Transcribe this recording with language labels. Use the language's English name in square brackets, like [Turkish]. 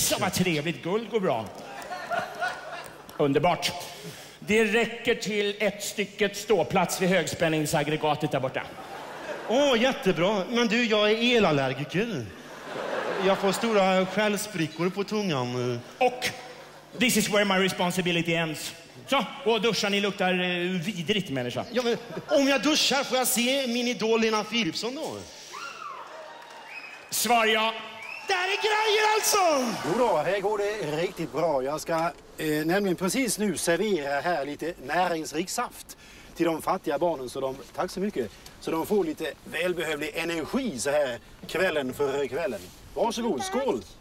[Swedish] Så vad trevligt, guld går bra. Underbart. Det räcker till ett stycke ståplats vid högspänningsaggregatet där borta. Jättebra. Men du, jag är elallergiker. Jag får stora skällsprickor på tungan. [English] Och, this is where my responsibility ends. [Swedish] Så, och duscha, ni luktar vidrigt, människa. Ja, men om jag duschar får jag se min idol Lena Philipsson då? Svar ja. Där är grejer alltså! Jo då, här går det riktigt bra. Jag ska nämligen precis nu servera här lite näringsrik saft till de fattiga barnen, så de, tack så mycket, så de får lite välbehövlig energi så här kvällen för kvällen. Varsågod, skål!